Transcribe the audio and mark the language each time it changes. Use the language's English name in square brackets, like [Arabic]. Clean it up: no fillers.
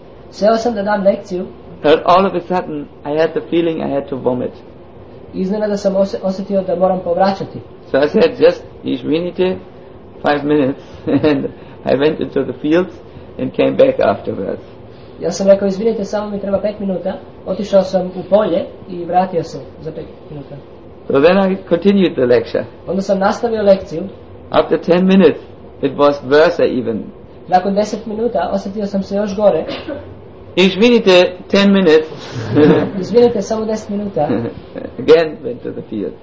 [Serbian] Seo sam da dam lekciju. [English] But all of a sudden I had the feeling I had to vomit. [Serbian] Iznenada sam osjetio da moram povraćati. [English] So I said just each minute, 5 minutes, and I went into the fields and came back afterwards. [Serbian] Ja sam rekao izvinite samo mi treba 5 minuta, otišao sam u polje i vratio se za 5 minuta. [English] So then I continued the lecture. [Serbian] Onda sam nastavio lekciju. [English] After 10 minutes it was worse even. [Serbian] Nakon 10 minuta osjetio sam se još gore. Izvinite [English] 10 minutes. [Serbian] Izvinite samo 10 minuta. [English] Again went to the field.